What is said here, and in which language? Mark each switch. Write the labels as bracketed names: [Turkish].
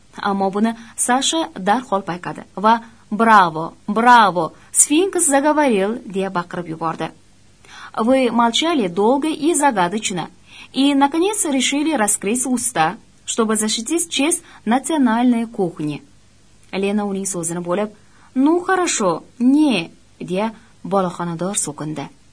[Uzbek] Ammo buni Sasha darhol payqadi va [Russian] «Браво, браво, сфинкс заговорил», [Uzbek] deya baqirib yubordi. [Russian] «Вы молчали долго и загадочно, и, наконец, решили раскрыть уста, чтобы защитить честь национальной кухни». [Uzbek] Lena uning so'zini bo'lib, [Russian] «Ну, хорошо, не», [Uzbek] deya boloxonador so'kindi.